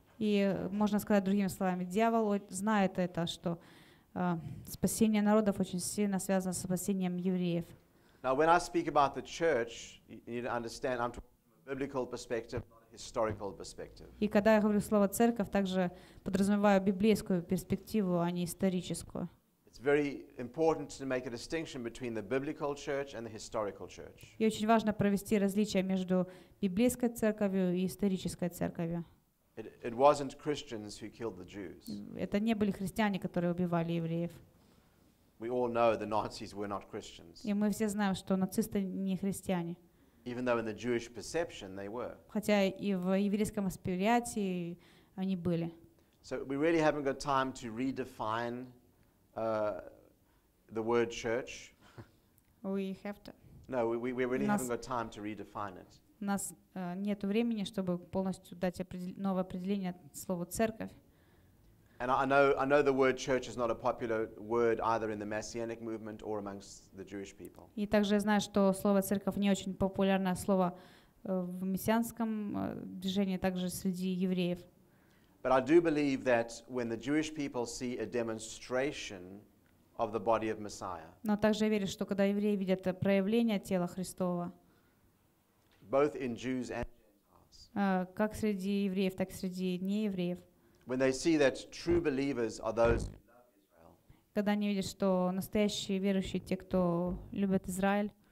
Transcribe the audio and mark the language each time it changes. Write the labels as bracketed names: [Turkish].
[Russian] И можно сказать другими словами, дьявол знает это, что спасение народов очень сильно связано с спасением евреев. [English] Now, when I speak about the church, you need to understand I'm talking from a biblical perspective. Historical perspective. [Russian] И когда я говорю слово церковь, также подразумеваю библейскую перспективу, а не историческую. [English] It's very important to make a distinction between the biblical church and the historical church. [Russian] И очень важно провести различие между библейской церковью и исторической церковью. [English] It wasn't Christians who killed the Jews. [Russian] Это не были христиане, которые убивали евреев. [English] We all know the Nazis were not Christians. [Russian] И мы все знаем, что нацисты не христиане. [English] Even though in the Jewish perception they were. [Russian] Хотя и в еврейском восприятии они были. [English] So we really haven't got time to redefine the word church. We have to. No, we really haven't got time to redefine it. [Russian] У нас нет времени, чтобы полностью дать новое определение слову церковь. [English] And I know the word church is not a popular word either in the messianic movement or amongst the Jewish people. [Russian] И также я знаю, что слово церковь не очень популярное слово в мессианском движении, также среди евреев. [English] But I do believe that when the Jewish people see a demonstration of the body of Messiah. [Russian] Но также я верю, что когда евреи видят проявление тела Христова, [English] both in Jews and Gentiles. [Russian] Как среди евреев, так среди неевреев. [English] When they see that true believers are those who love Israel. [Russian] Когда они видят, что настоящие верующие те, кто любят Израиль.